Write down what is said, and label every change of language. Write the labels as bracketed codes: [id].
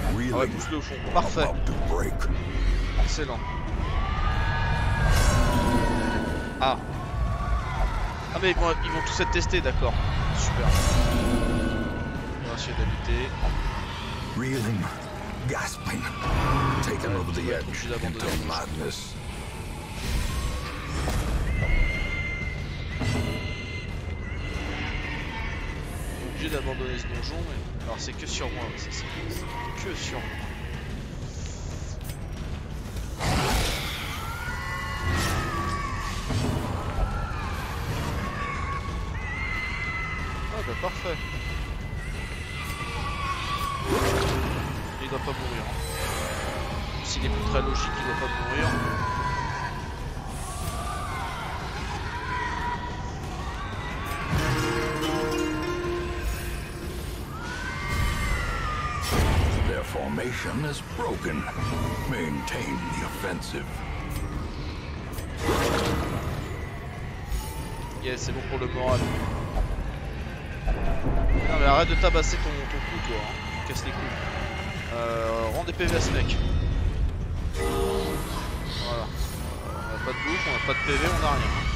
[fr] Ah ouais, pousse-le au fond. Parfait. Excellent. Ah. Ah mais bon, ils vont tous être testés, d'accord. Super. On va essayer d'habiter. [en] Reeling, gasping, taken over the edge into madness. [fr] Obligé d'abandonner ce donjon, mais alors c'est que sur moi, c'est que sur moi. Parfait. Il doit pas mourir. S'il est plus très logique, il doit pas mourir. [en] Their formation is broken. Maintain the offensive. [fr] Yeah, c'est bon pour le moral. Non mais arrête de tabasser ton coup toi, hein. Casse les couilles. Rends des PV à ce mec. Voilà. On a pas de bouffe, on a pas de PV, on a rien.